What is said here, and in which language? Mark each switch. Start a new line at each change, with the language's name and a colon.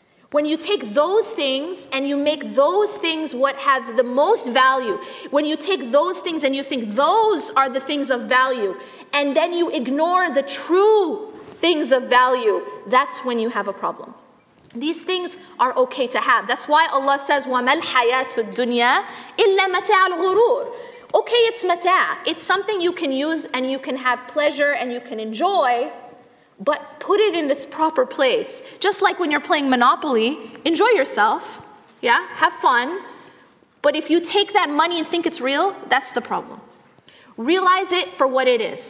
English: When you take those things and you make those things what has the most value, when you take those things and you think those are the things of value, and then you ignore the true things of value, that's when you have a problem. These things are okay to have. That's why Allah says,
Arabic: وَمَا الْحَيَاةُ الدُّنْيَا إِلَّا مَتَاعُ الْغُرُورِ.
English: Okay, it's mata'. It's something you can use and you can have pleasure and you can enjoy, but put it in its proper place. Just like when you're playing Monopoly, enjoy yourself, yeah, have fun. But if you take that money and think it's real, that's the problem. Realize it for what it is.